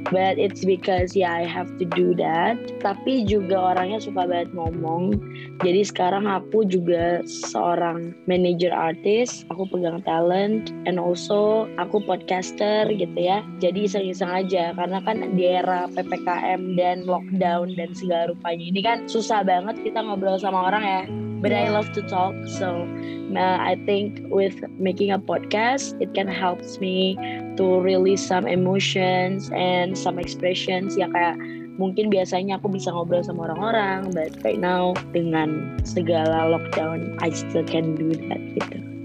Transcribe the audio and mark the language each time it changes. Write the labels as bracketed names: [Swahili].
[English] But it's because yeah, I have to do that. [Indonesian] Tapi juga orangnya suka banget ngomong. Jadi sekarang aku juga seorang manager artist. Aku pegang talent. And also aku podcaster gitu ya. Jadi iseng-iseng aja. Karena kan di era PPKM dan lockdown dan segala rupanya ini kan susah banget kita ngobrol sama orang ya. [English] But I love to talk, so I think with making a podcast, it can help me to release some emotions and some expressions. [Indonesian] Ya kayak mungkin biasanya aku bisa ngobrol sama orang-orang, but right now dengan segala lockdown, I still can do that gitu.